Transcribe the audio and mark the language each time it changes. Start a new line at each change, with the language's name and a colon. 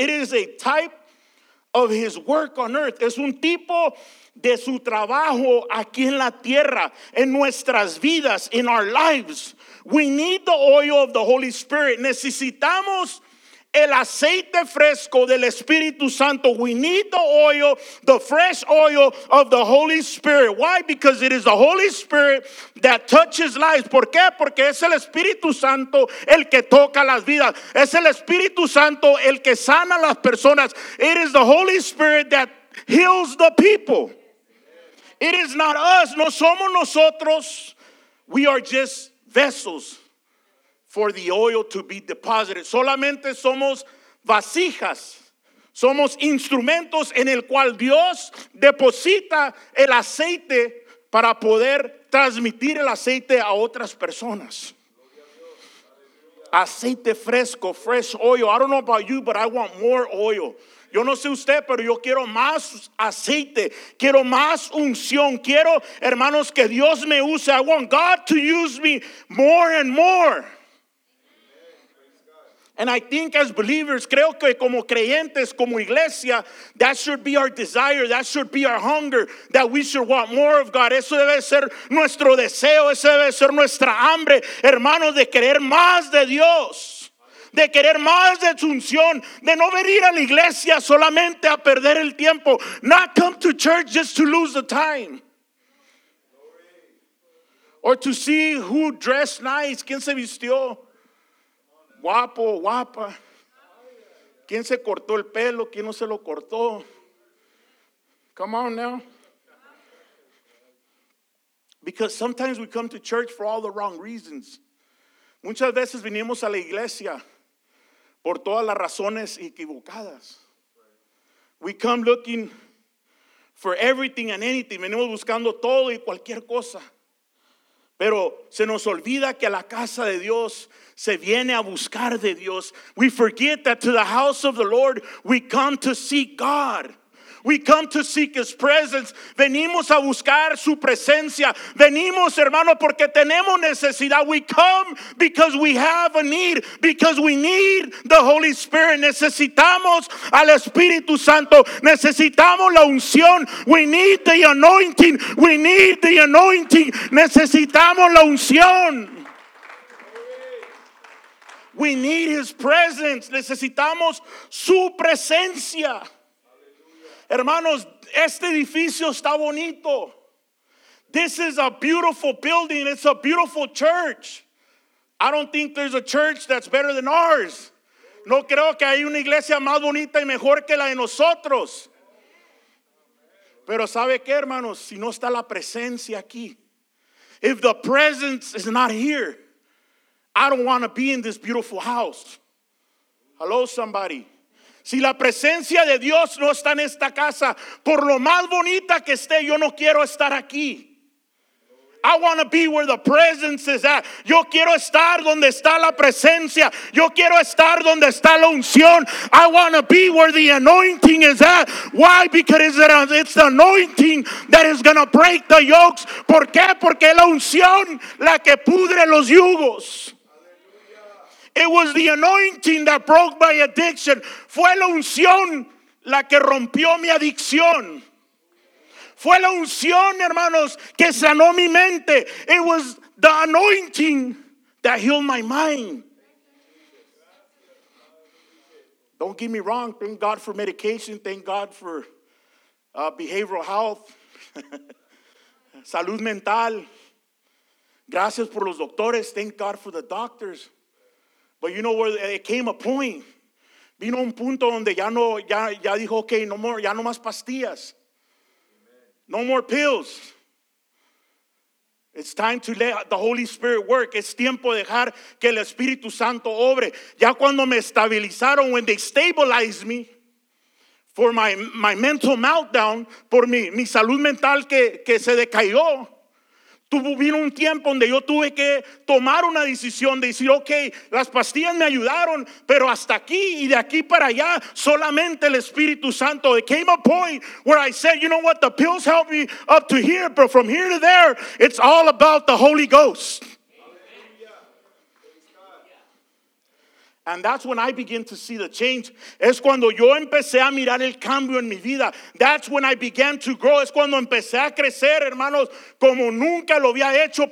English: It is a type of his work on earth.
Spanish: Es un tipo de su trabajo aquí en la tierra, en nuestras vidas,
English: in our lives. We need the oil of the Holy Spirit.
Spanish: Necesitamos el aceite fresco del Espíritu Santo.
English: We need the oil, the fresh oil of the Holy Spirit. Why? Because it is the Holy Spirit that touches lives.
Spanish: ¿Por qué? Porque es el Espíritu Santo el que toca las vidas. Es el Espíritu Santo el que sana las personas.
English: It is the Holy Spirit that heals the people. It is not us.
Spanish: No somos nosotros.
English: We are just vessels for the oil to be deposited.
Spanish: Solamente somos vasijas. Somos instrumentos en el cual Dios deposita el aceite para poder transmitir el aceite a otras personas. Aceite fresco,
English: fresh oil. I don't know about you, but I want more oil.
Spanish: Yo no sé usted, pero yo quiero más aceite. Quiero más unción. Quiero, hermanos, que Dios me use.
English: I want God to use me more and more. And I think as believers,
Spanish: creo que como creyentes, como iglesia,
English: that should be our desire, that should be our hunger, that we should want more of God.
Spanish: Eso debe ser nuestro deseo, eso debe ser nuestra hambre, hermanos, de querer más de Dios, de querer más de su unción, de no venir a la iglesia solamente a perder el tiempo.
English: Not come to church just to lose the time. Or to see who dressed nice,
Spanish: quién se vistió. Guapo, guapa. ¿Quién se cortó el pelo? ¿Quién no se lo cortó?
English: Come on now. Because sometimes we come to church for all the wrong reasons.
Spanish: Muchas veces venimos a la iglesia por todas las razones equivocadas.
English: We come looking for everything and anything.
Spanish: Venimos buscando todo y cualquier cosa. Pero se nos olvida que a la casa de Dios se viene a buscar de Dios.
English: We forget that to the house of the Lord we come to seek God. We come to seek his presence.
Spanish: Venimos a buscar su presencia. Venimos, hermano, porque tenemos necesidad.
English: We come because we have a need. Because we need the Holy Spirit.
Spanish: Necesitamos al Espíritu Santo. Necesitamos la unción.
English: We need the anointing. We need the anointing.
Spanish: Necesitamos la unción.
English: We need his presence.
Spanish: Necesitamos su presencia. Hermanos, este edificio está bonito.
English: this is a beautiful building. It's a beautiful church. I don't think there's a church that's better than ours.
Spanish: No creo que hay una iglesia más bonita y mejor que la de nosotros. Pero sabe qué, hermanos, si no está la presencia aquí,
English: if the presence is not here, I don't want to be in this beautiful house. Hello, somebody.
Spanish: Si la presencia de Dios no está en esta casa, por lo más bonita que esté, yo no quiero estar aquí.
English: I want to be where the presence is at.
Spanish: Yo quiero estar donde está la presencia. Yo quiero estar donde está la unción.
English: I want to be where the anointing is at. Why? Because it's the anointing that is going to break the yokes.
Spanish: ¿Por qué? Porque la unción la que pudre los yugos.
English: It was the anointing that broke my addiction.
Spanish: Fue la unción la que rompió mi adicción. Fue la unción, hermanos, que sanó mi mente.
English: It was the anointing that healed my mind. Don't get me wrong. Thank God for medication. Thank God for behavioral health.
Spanish: Salud mental. Gracias por los doctores.
English: Thank God for the doctors. But you know where it came a point.
Spanish: Vino un punto donde ya no, ya dijo, okay,
English: no more,
Spanish: ya no más pastillas.
English: No more pills. It's time to let the Holy Spirit work.
Spanish: Es tiempo de dejar que el Espíritu Santo obre. Ya cuando me estabilizaron,
English: when they stabilized me for my mental meltdown,
Spanish: por mi salud mental que se decayó, vino un tiempo donde yo tuve que tomar una decisión de decir, okay, las pastillas me ayudaron, pero hasta aquí y de aquí para allá, solamente el Espíritu Santo.
English: It came a point where I said, you know what, the pills helped me up to here, but from here to there, it's all about the Holy Ghost. And that's when I begin to see the change.
Spanish: Es cuando yo empecé a mirar el cambio en mi vida.
English: That's when I began to grow.
Spanish: Es cuando empecé a crecer, hermanos, como nunca lo había hecho.